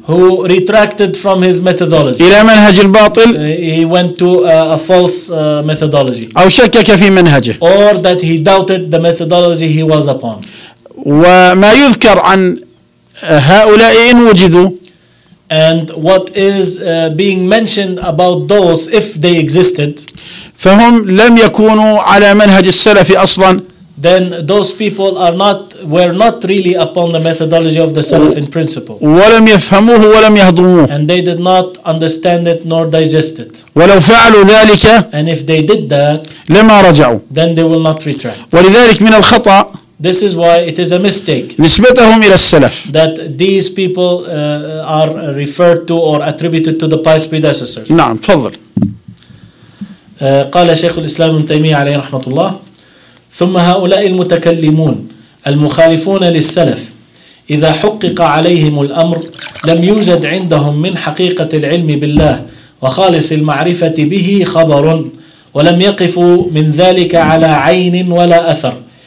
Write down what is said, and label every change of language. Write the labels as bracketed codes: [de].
[en] Who retracted from his methodology. [ar] إلى منهج الباطل. [en] He went to a false methodology. [ar] أو شكك في منهجه. [en] Or that he doubted the methodology he was upon. [ar] وما يذكر عن هؤلاء إن وجدوا. [en] And what is being mentioned about those if they existed. [ar] فهم لم يكونوا على منهج السلف اصلا. [en] Then those people were not really upon the methodology of the Salaf in principle. [ar] ولم يفهموه ولم يهضموه. [en] And they did not understand it nor digest it. [ar] ولو فعلوا ذلك. [en] And if they did that. [ar] لما رجعوا. [en] Then they will not retract. [ar] ولذلك من الخطأ. [en] This is why it is a mistake. [ar] نسبتهم إلى السلف. [en] That these people are referred to or attributed to the pious predecessors. [ar] نعم تفضل. قال شيخ الإسلام ابن تيمية عليه رحمة الله ثم هؤلاء المتكلمون المخالفون للسلف إذا حقق عليهم الأمر لم يوجد عندهم من حقيقة العلم بالله وخالص المعرفة به خبر، ولم يقف من ذلك على عين ولا أثر.